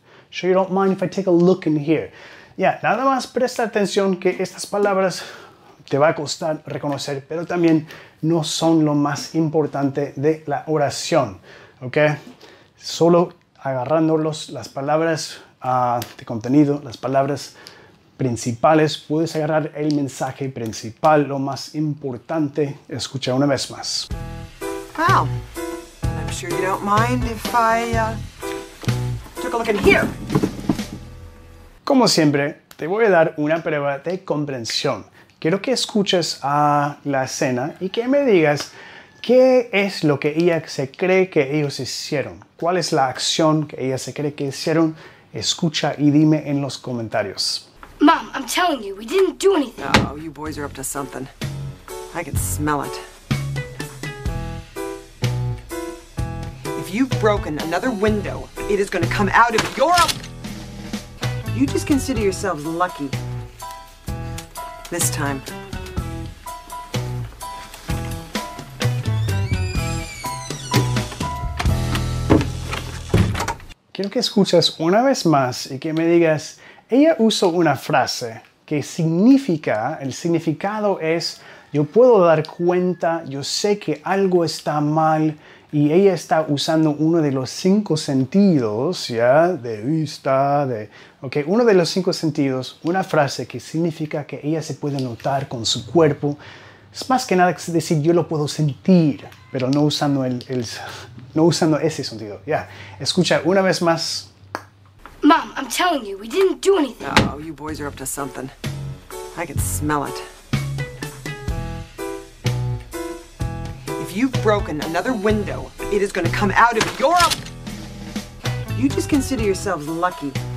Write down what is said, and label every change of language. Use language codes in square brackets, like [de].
[en] Sure you don't mind if I take a look in here. [es] Yeah, nada más presta atención que estas palabras te va a costar reconocer, pero también no son lo más importante de la oración. Ok, solo agarrándolos las palabras de contenido, las palabras principales, puedes agarrar el mensaje principal, lo más importante. Escucha una vez más. [en] Well, I'm sure you don't mind if I took a look in here. [es] Como siempre, te voy a dar una prueba de comprensión. Quiero que escuches a la escena y que me digas qué es lo que ella se cree que ellos hicieron. ¿Cuál es la acción que ella se cree que hicieron? Escucha y dime en los comentarios. [en] Mom, I'm telling you, we didn't do anything. Oh, you boys are up to something. I can smell it. If you've broken another window, it is going to come out of your... You just consider yourselves lucky. This time. [es] Quiero que escuches una vez más y que me digas... Ella usó una frase que significa, el significado es Yo puedo dar cuenta, yo sé que algo está mal y ella está usando uno de los cinco sentidos, ¿ya? De vista, de... Ok, uno de los cinco sentidos, una frase que significa que ella se puede notar con su cuerpo. Es más que nada que decir yo lo puedo sentir, pero no usando el no usando ese sentido. Ya, yeah. Escucha una vez más. [en] Mom, I'm telling you, we didn't do anything. Oh, you boys are up to something. I can smell it. If you've broken another window, it is going to come out of your... You just consider yourselves lucky.